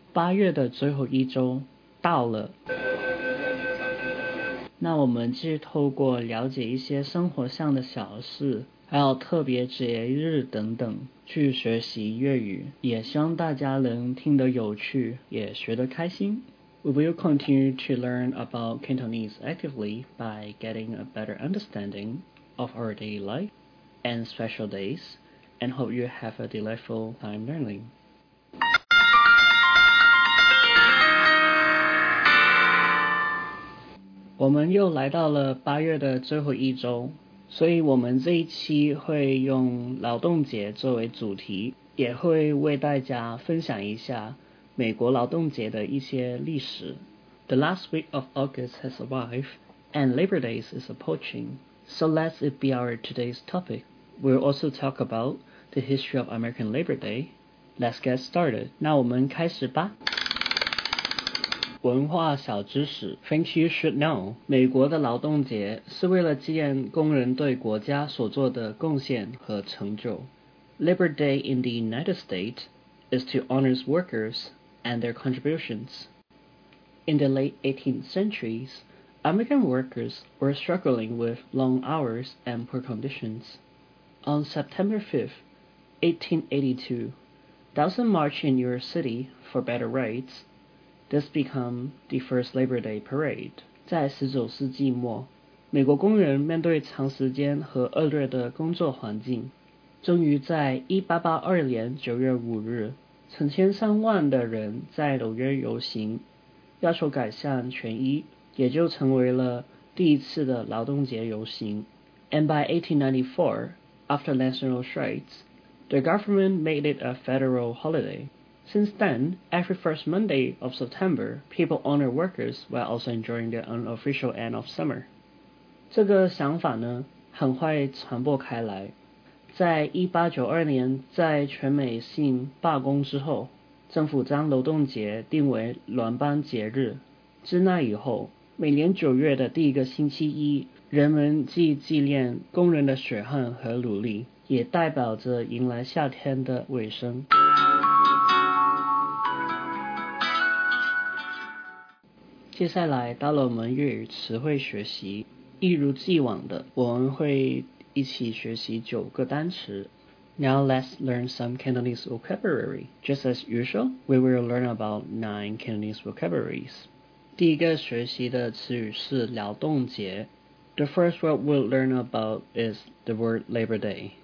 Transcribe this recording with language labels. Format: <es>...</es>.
<zh>八月的最后一周到了。那我们继续透过了解一些生活上的小事，还有特别节日等等，去学习粤语，也希望大家能听得有趣，也学得开心。</zh> <en>We will continue to learn about Cantonese actively by getting a better understanding of our daily life and special days, and hope you have a delightful time learning.</en> <zh>我们又来到了八月的最后一周，所以我们这一期会用劳动节作为主题，也会为大家分享一下美国劳动节的一些历史。</zh> <en>The last week of August has arrived and Labor Day is approaching, so let it be our today's topic. We'll also talk about the history of American Labor Day. Let's get started.</en> <zh>那我们开始吧。文化小知识</zh> <en>Things you should know.</en> <zh>美国的劳动节是为了纪念工人对国家所做的贡献和成就。</zh> <en>Labor Day in the United States is to honor workers and their contributions. In the late 18th centuries, American workers were struggling with long hours and poor conditions. On September 5th, 1882, thousands marched in New York City for better rights. This became the first Labor Day parade.</en> <zh>在19世纪末，美国工人面对长时间和恶劣的工作环境，终于在1882年9月5日，成千上万的人在纽约游行，要求改善权益，也就成为了第一次的劳动节游行。</zh> <en>And by 1894, after national strikes, the government made it a federal holiday. Since then, every first Monday of September, people honor workers while also enjoying the unofficial end of summer.</en> <zh>这个想法呢，很快传播开来。在1892年在全美性罢工之后，政府将劳动节定为联邦节日。自那以后，每年九月的第一个星期一，人们既纪念工人的血汗和努力，也代表着迎来夏天的尾声。接下来到了我们粤语词汇学习，一如既往的，我们会一起学习九个单词。</zh> <en>Now let's learn some Cantonese vocabulary. Just as usual, we will learn about 9 Cantonese vocabularies.</en> <zh>第一个学习的词语是劳动节。</zh> <en>The first word we'll learn about is the word Labor Day.</en>